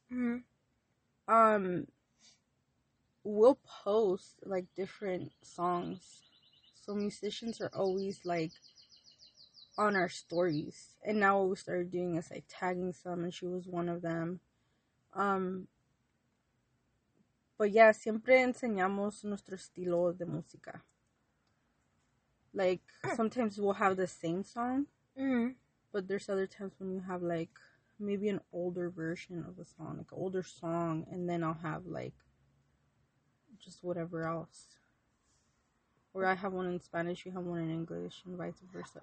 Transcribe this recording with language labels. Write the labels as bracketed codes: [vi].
[en] mm-hmm. We'll post like different songs. So musicians are always like on our stories. And now what we started doing is like tagging some, and she was one of them. But yeah, [es] siempre enseñamos nuestro estilo de música. [en] Like, sometimes we'll have the same song, but there's other times when you have, like, maybe an older version of a song, like, an older song, and then I'll have, like, just whatever else. Or I have one in Spanish, you have one in English, and vice versa.